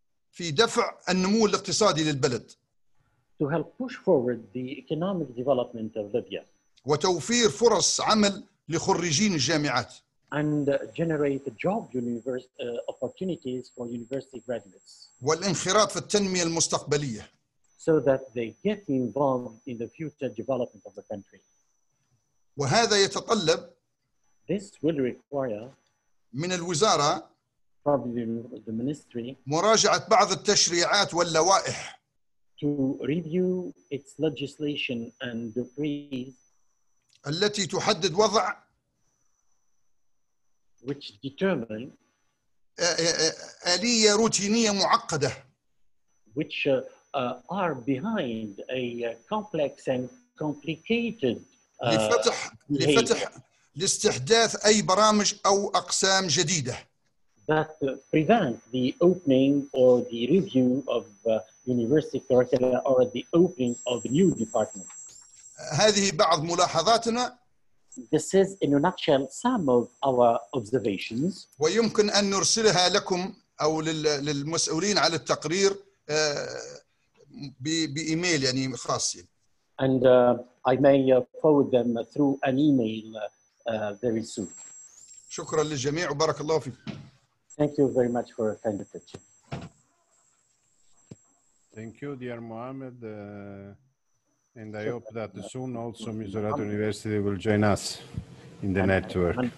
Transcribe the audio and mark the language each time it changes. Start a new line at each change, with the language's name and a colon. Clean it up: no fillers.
Arabic: في دفع النمو الاقتصادي للبلد.
English: To help push forward the economic development of Libya.
Arabic: وتوفير فرص عمل لخريجين الجامعات.
English: And generate job opportunities for university graduates.
Arabic: والانخراط في التنمية المستقبلية.
English: So that they get involved in the future development of the country.
Arabic: وهذا يتطلب.
English: This will require.
Arabic: من الوزارة.
English: Probably the ministry.
Arabic: مراجعة بعض التشريعات واللوائح.
English: To review its legislation and decrees.
Arabic: التي تحدد وضع.
English: Which determine.
Arabic: آلية روتينية معقدة.
English: Which are behind a complex and complicated.
Arabic: لفتح لاستحداث أي برامج أو أقسام جديدة.
English: That prevent the opening or the review of university curricula or the opening of new departments.
Arabic: هذه بعض ملاحظاتنا.
English: This is in a nutshell some of our observations.
Arabic: ويمكن أن نرسلها لكم أو للمسؤولين على التقرير بإيميل يعني خاص.
English: And I may forward them through an email very soon.
Arabic: شكرا للجميع وبارك الله فيكم.
English: Thank you very much for your kind attention. Thank you, dear Mohammed. And I hope that soon also Misurat University will join us in the network.